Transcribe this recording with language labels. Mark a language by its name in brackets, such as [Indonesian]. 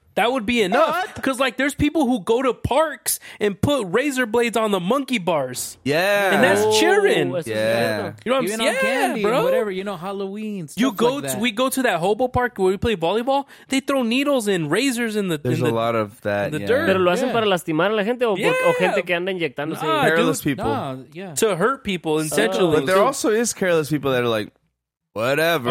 [English] That would be enough. Because, there's people who go to parks and put razor blades on the monkey bars. Yeah. And that's cheering. Yeah. You know what I'm saying? Yeah, candy, bro. Whatever. Halloween. Stuff We go to that hobo park where we play volleyball. They throw needles and razors in the dirt. There's a lot of that. The dirt. [Spanish] Pero lo hacen para lastimar a la gente o gente que anda inyectándose. [English] Careless people. To hurt people intentionally. But there also is careless people that are like, whatever.